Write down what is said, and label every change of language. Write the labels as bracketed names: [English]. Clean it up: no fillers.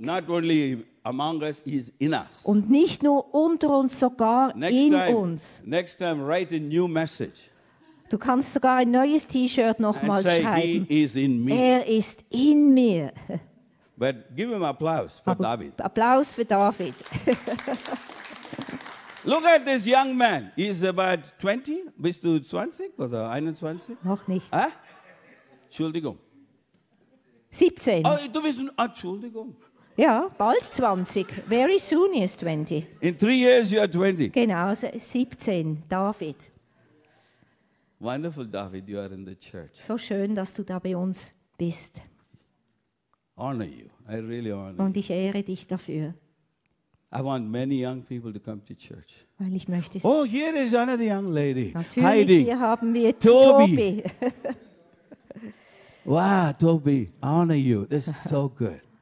[English] Not only among us, he is in us. [German] Und nicht nur unter uns, sogar [English] next in time, [German] uns. [English] Next time, write a new message. [German] Du kannst sogar ein neues T-Shirt nochmal schreiben. [English] He is in me. [German] Er ist in mir. [English] But give him applause for David. [German] Applaus für David. [English] Look at this young man. He's about 20. [German] Bist du 20 oder 21? Noch nicht. Ah? Entschuldigung. 17. Oh, du bist, Entschuldigung. Ja, bald 20. [English] Very soon he is 20. In 3 years you are 20. [German] Genau, 17. David. [English] Wonderful, David, you are in the church. [German] So schön, dass du da bei uns bist. [English] Honor you. I really honor you. [German] Und ich ehre dich dafür. [English] I want many young people to come to church. [German] Weil ich möchte. [English] Oh, here is another young lady. [German] Natürlich, Heidi. Hier haben wir Toby. [English] Wow, Toby, honor you. This is so good.